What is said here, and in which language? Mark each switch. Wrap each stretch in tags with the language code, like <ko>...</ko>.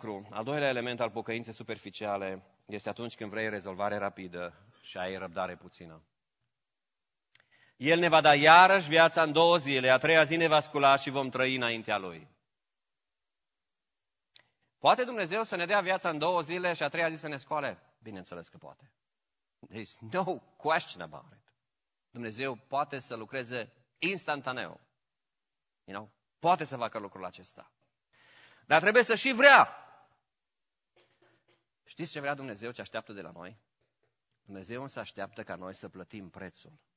<ro>Al doilea element al pocăinței superficiale este atunci când vrei rezolvare rapidă și ai răbdare puțină. El ne va da iarăși viața în două zile, a treia zi ne va scula și vom trăi înaintea Lui. Poate Dumnezeu să ne dea viața în două zile și a treia zi să ne scoale? Bineînțeles că poate.</ro> <en>There's no question about it.</en> <ro>Dumnezeu poate să lucreze instantaneu.</ro> <en>You know?</en> <ro>Poate să facă lucrul acesta. Dar trebuie să și vrea. Știți ce vrea Dumnezeu, ce așteaptă de la noi? Dumnezeu însă așteaptă ca noi să plătim prețul.</ro>